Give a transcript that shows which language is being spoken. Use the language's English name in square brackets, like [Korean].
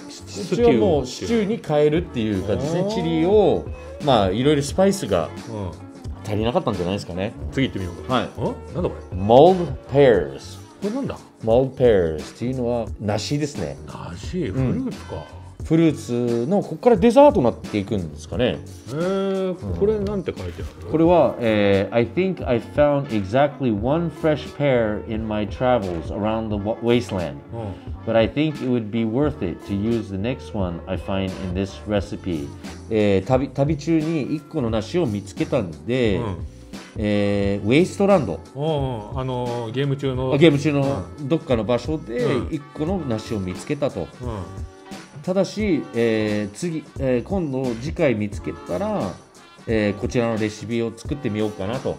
[Japanese] シチューもシチューに変えるっていう感じですね。チリをまあいろいろスパイスが足りなかったんじゃないですかね。次行ってみようか。はい。ん？なんだこれ？モールドペアーズ。これなんだ？モールドペアーズっていうのは梨ですね。梨？フルーツか。うん、フルーツのここからデザートになっていくんですかね。これなんて書いてある？これは、 [English] I think I found exactly one fresh pear in my travels around the wasteland. But I think it would be worth it to use the next one I find in this recipe. [Japanese] 旅中に一個の梨を見つけたんで、ウェイストランド。ゲーム中の。ゲーム中のどっかの場所で一個の梨を見つけたと。ただし、今度次回見つけたら、こちらのレシピを作ってみようかなと。